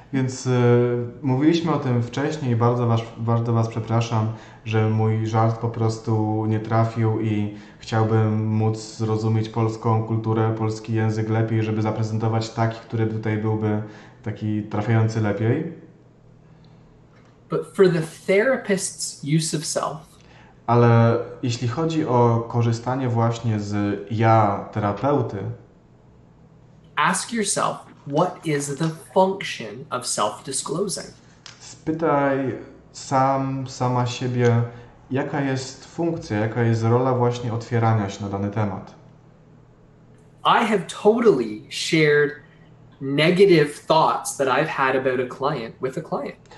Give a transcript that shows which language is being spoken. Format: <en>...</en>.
<pl>Więc mówiliśmy o tym wcześniej, bardzo was przepraszam, że mój żart po prostu nie trafił i chciałbym móc zrozumieć polską kulturę, polski język lepiej, żeby zaprezentować taki, który tutaj byłby taki trafiający lepiej.</pl> <en>But for the therapist's use of self.</en> <pl>Ale jeśli chodzi o korzystanie właśnie z ja terapeuty,</pl> <en>ask yourself, what is the function of self-disclosing?</en> <pl>Spytaj sama siebie, jaka jest funkcja, jaka jest rola właśnie otwierania się na dany temat.</pl> <en>I have totally shared negative thoughts that I've had about a client with a client.</en>